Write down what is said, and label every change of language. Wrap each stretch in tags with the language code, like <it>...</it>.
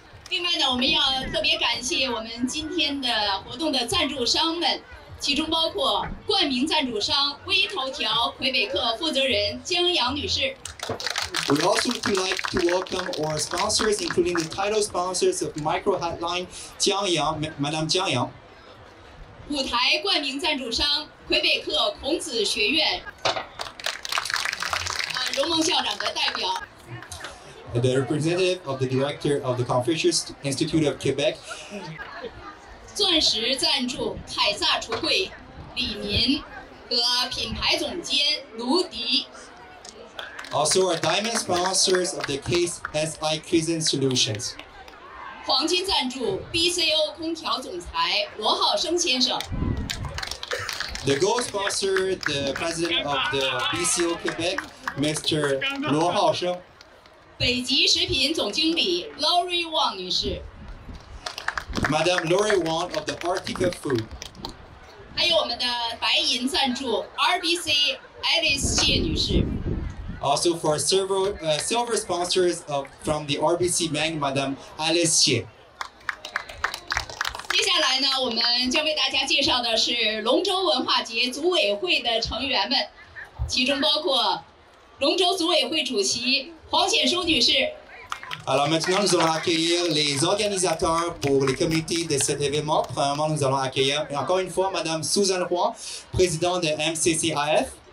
<zh>另外呢，我们要特别感谢我们今天的活动的赞助商们。其中包括冠名赞助商微头条魁北克负责人江阳女士。</zh> <en>We also would like to welcome our sponsors, including the title sponsors of Micro Hotline, 江阳 Madame 江阳。</en> <zh>舞台冠名赞助商魁北克孔子学院。荣梦校长的代表。</zh> <en>the representative of the director of the Confucius Institute of Quebec.</en> <zh>钻石赞助凯撒橱柜李民和品牌总监卢迪。</zh> <en>Also our diamond sponsors of the case SI Kitchen Solutions.</en> <zh>黄金赞助 BCO 空调总裁罗浩生先生。</zh> <en>The gold sponsor, the president of the BCO Quebec, Mr.</en> <zh>罗浩生。北极食品总经理 Lori Wang 女士。</zh> <en>Madame Lori Wang of the Arctic Food.</en> <zh>还有我们的白银赞助 RBC Alice 谢女士。</zh> <en>Also for several, silver sponsors of, from the RBC Bank, Madame Alice Xie.</en> <zh>接下来呢，我们将为大家介绍的是龙舟文化节组委会的成员们，其中包括龙舟组委会主席黄显淑女士。</zh> <fr>Alors maintenant, nous allons accueillir les organisateurs pour les comités de cet événement. Premièrement, nous allons accueillir encore une fois Madame Suzanne Huang, présidente de MCCIF.</fr>